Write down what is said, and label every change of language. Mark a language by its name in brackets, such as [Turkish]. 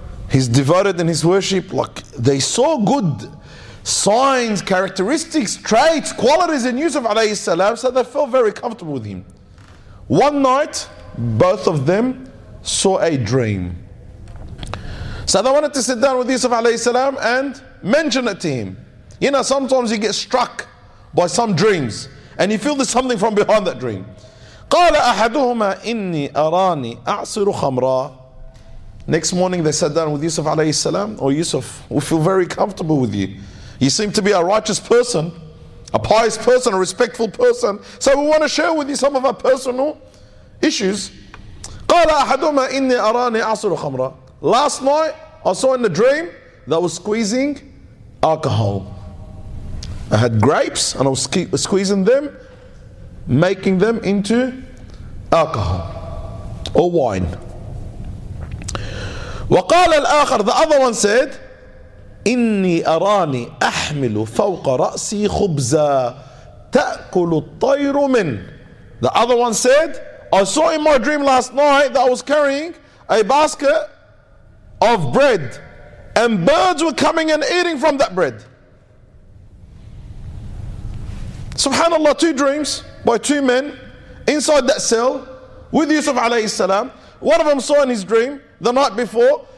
[English] He's devoted in his worship. Like, they saw good signs, characteristics, traits, qualities in Yusuf alayhi salam, so they felt very comfortable with him. One night, both of them saw a dream. So they wanted to sit down with Yusuf alayhi salam and mention it to him. You know, sometimes you get struck by some dreams, and you feel there's something from behind that dream. [Arabic] قَالَ أَحَدُهُمَا إِنِّي أَرَانِي أَعْصِرُ خَمْرًا. [English] Next morning they sat down with Yusuf alayhi salam. Oh Yusuf, we feel very comfortable with you. You seem to be a righteous person, a pious person, a respectful person. So we want to share with you some of our personal issues. [Arabic] قَالَ أَحَدُهُمَا إِنِّي أَرَانِي أَعْصِرُ خَمْرًا. [English] Last night I saw in the dream that I was squeezing alcohol. I had grapes and I was squeezing them, making them into alcohol or wine. [Arabic] وقال الآخر, [English] the other one said, [Arabic] إني أراني أحمل فوق رأسي خبزا تأكل الطير من. [English] The other one said, I saw in my dream last night that I was carrying a basket of bread, and birds were coming and eating from that bread. SubhanAllah, two dreams by two men inside that cell with Yusuf alayhi salam. One of them saw in his dream the night before